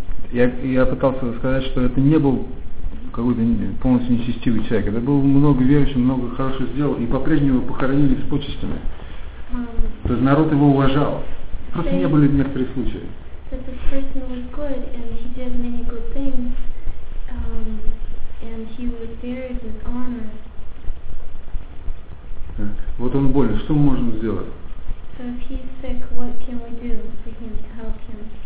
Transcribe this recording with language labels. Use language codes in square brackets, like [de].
[ru] Я пытался сказать, что это не был какой-то полностью нечестивый человек. Это был много верующий, много хорошего сделал, и по-прежнему его похоронили с почестями. То есть народ его уважал. Просто не были некоторые случаи. [en] That this person was good, and he did many good things. and he was buried with honor. [ru] Вот он болен, что мы можем сделать? [en] So if he's sick, what can we do for him to help him?